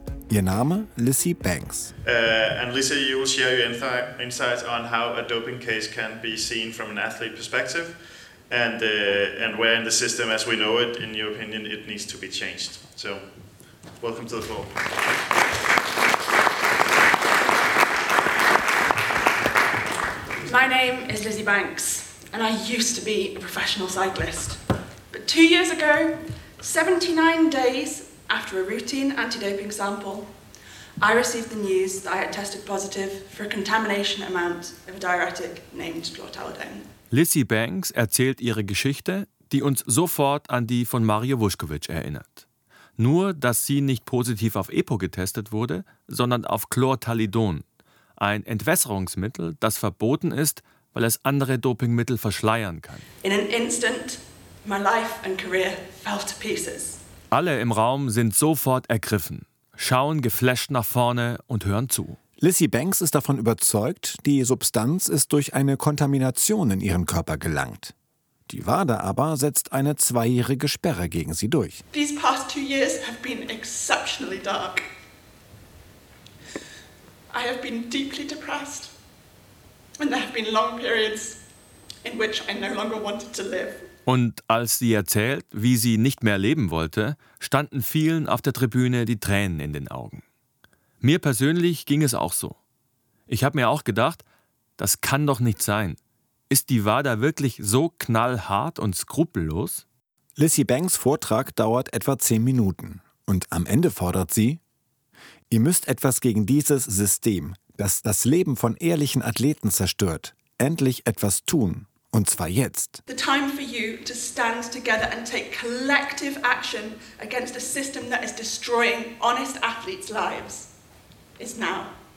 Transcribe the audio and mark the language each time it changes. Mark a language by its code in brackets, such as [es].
[de] Ihr Name? Lissy Banks. [en] And Lissy, you will share your insights on how a doping case can be seen from an athlete perspective and where in the system as we know it, in your opinion, it needs to be changed. So, welcome to the floor. My name is Lissy Banks and I used to be a professional cyclist. But 2 years ago, 79 days after a routine anti-doping sample, I received the news that I had tested positive for a contamination amount of a diuretic named chlortalidone. [de] Lissy Banks erzählt ihre Geschichte, die uns sofort an die von Mario Vuskovic erinnert. Nur, dass sie nicht positiv auf EPO getestet wurde, sondern auf Chlortalidon, ein Entwässerungsmittel, das verboten ist, weil es andere Dopingmittel verschleiern kann. [en] In an instant, my life and career fell to pieces. [de] Alle im Raum sind sofort ergriffen, schauen geflasht nach vorne und hören zu. Lissy Banks ist davon überzeugt, die Substanz ist durch eine Kontamination in ihren Körper gelangt. Die WADA aber setzt eine zweijährige Sperre gegen sie durch. [en] These past 2 years have been exceptionally dark. I have been deeply depressed and there have been long periods in which I no longer wanted to live. [de] Und als sie erzählt, wie sie nicht mehr leben wollte, standen vielen auf der Tribüne die Tränen in den Augen. Mir persönlich ging es auch so. Ich habe mir auch gedacht, das kann doch nicht sein. Ist die WADA wirklich so knallhart und skrupellos? Lissy Banks Vortrag dauert etwa 10 Minuten. Und am Ende fordert sie, ihr müsst etwas gegen dieses System, das Leben von ehrlichen Athleten zerstört, endlich etwas tun. Und zwar jetzt. [en] The time for you to stand together and take collective action against a system that is destroying honest athletes' lives is now.